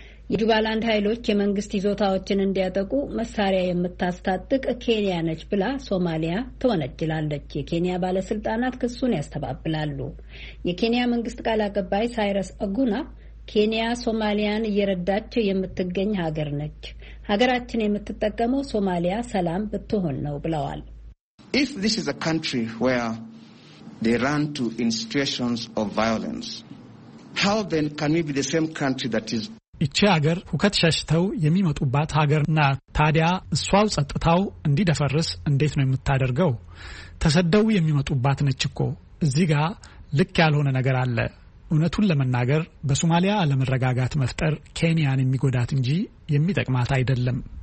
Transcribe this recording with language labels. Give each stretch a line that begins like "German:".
Amharic: የጁባላንድ ኃይሎች የመንግስት ይዞታዎችን እንዲያጠቁ መሳሪያ የምታስታጥቅ ኬንያ ነች ብላ ሶማሊያ ትወነጅላለች። የኬንያ ባለስልጣናት ክሱን ያስተባብላሉ። የኬንያ መንግስት ቃል አቀባይ ሳይረስ አጉና ኬንያ ሶማሊያን እየረዳች የምትገኝ ሀገር ነች፣ ሀገራችን የምትጠቀመው ሶማሊያ ሰላም ብትሆን ነው ብለዋል።
English: If this is a country where they run to institutions of violence, how then can we be the same country that is
Amharic: እቺ ሀገር ሁከት ሸሽተው የሚመጡባት ሀገርና ታዲያ እሷው ጸጥታው እንዲደፈርስ እንዴት ነው የምታደርገው? ተሰደው የሚመጡባት ነች እኮ። እዚህ ጋር ልክ ያልሆነ ነገር አለ። እውነቱን ለመናገር በሶማሊያ አለመረጋጋት መፍጠር ኬንያን የሚጎዳት እንጂ የሚጠቅማት አይደለም።